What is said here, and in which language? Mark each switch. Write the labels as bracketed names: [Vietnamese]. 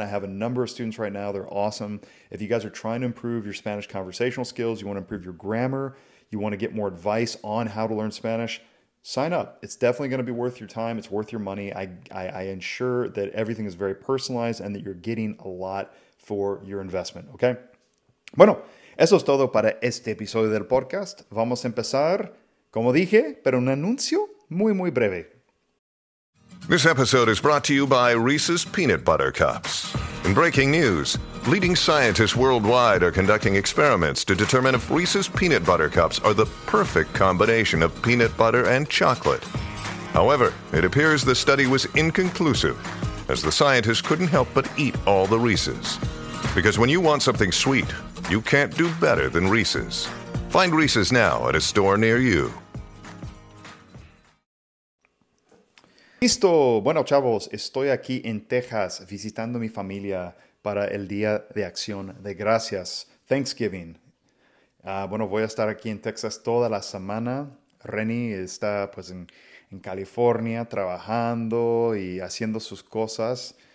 [English] I have a number of students right now. They're awesome. If you guys are trying to improve your Spanish conversational skills, you want to improve your grammar, you want to get more advice on how to learn Spanish, sign up. It's definitely going to be worth your time. It's worth your money. I ensure that everything is very personalized and that you're getting a lot for your investment, okay? [Spanish] Bueno, eso es todo para este episodio del podcast. Vamos a empezar, como dije, pero un anuncio muy, muy breve. [English] This episode is brought to you by Reese's Peanut Butter Cups. In breaking news, leading scientists worldwide are conducting experiments to determine if Reese's Peanut Butter Cups are the perfect combination of peanut butter and chocolate. However, it appears the study was inconclusive, as the scientists couldn't help but eat all the Reese's. Because when you want something sweet, you can't do better than Reese's. Find Reese's now at a store near you. [Spanish] Listo. Bueno, chavos, estoy aquí en Texas visitando mi familia para el Día de Acción de Gracias, Thanksgiving. Bueno, voy a estar aquí en Texas toda la semana. Renny está pues en California trabajando y haciendo sus cosas.